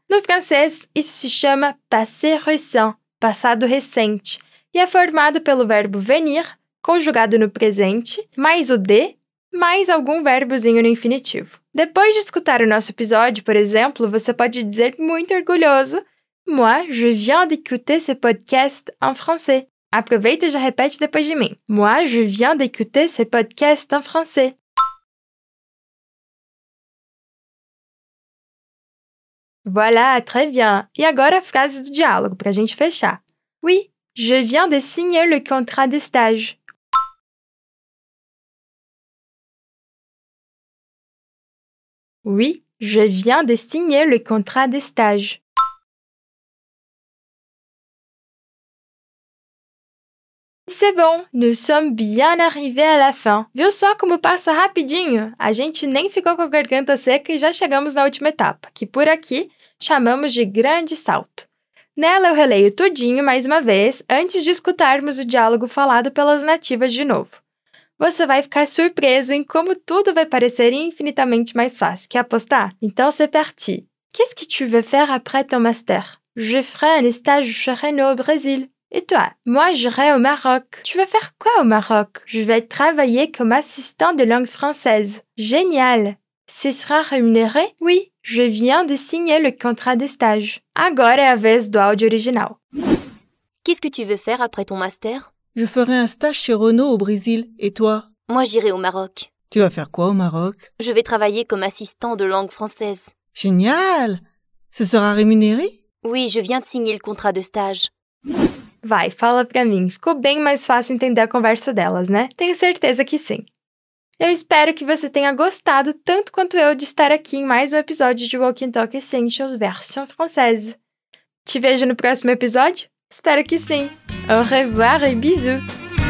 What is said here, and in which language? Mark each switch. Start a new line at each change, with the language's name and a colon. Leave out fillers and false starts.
Portuguese: No francês, isso se chama passé récent, passado recente, e é formado pelo verbo venir, conjugado no presente, mais o de, mais algum verbozinho no infinitivo. Depois de escutar o nosso episódio, por exemplo, você pode dizer muito orgulhoso:
French: Moi, je viens d'écouter ce podcast en français.
Portuguese: Aproveita e já repete depois de mim.
French: Moi, je viens d'écouter ce podcast en français. Voilà, très bien.
Portuguese: E agora a frase do diálogo, para a gente fechar.
French: Oui, je viens de signer le contrat de stage. Oui, je viens de signer le contrat de stage. C'est bon, nous sommes bien arrivés à la fin.
Portuguese: Viu só como passa rapidinho? A gente nem ficou com a garganta seca e já chegamos na última etapa, que por aqui chamamos de grande salto. Nela eu releio tudinho mais uma vez, antes de escutarmos o diálogo falado pelas nativas de novo. Você vai ficar surpreso em como tudo vai parecer infinitamente mais fácil. Quer apostar? Então
French: c'est parti. Qu'est-ce que tu veux faire après ton master? Je ferai un stage chez Renault au Brésil. Et toi? Moi, j'irai au Maroc. Tu vas faire quoi au Maroc? Je vais travailler comme assistant de langue française. Génial! Ce sera rémunéré? Oui, je viens de signer le contrat de stage.
Portuguese: Agora é a vez do áudio original.
French: Qu'est-ce que tu veux faire après ton master? Je ferai un stage chez Renault au Brésil. Et toi? Moi, j'irai au Maroc. Tu vas faire quoi au Maroc? Je vais travailler comme assistant de langue française. Génial! Ce sera rémunéré? Oui, je viens de signer le contrat de stage.
Portuguese: Vai, fala pra mim. Ficou bem mais fácil entender a conversa delas, né? Tenho certeza que sim. Eu espero que você tenha gostado tanto quanto eu de estar aqui em mais um episódio de Walking Talk Essentials Version Française. Te vejo no próximo episódio? Espero que sim.
French: Au revoir et bisous!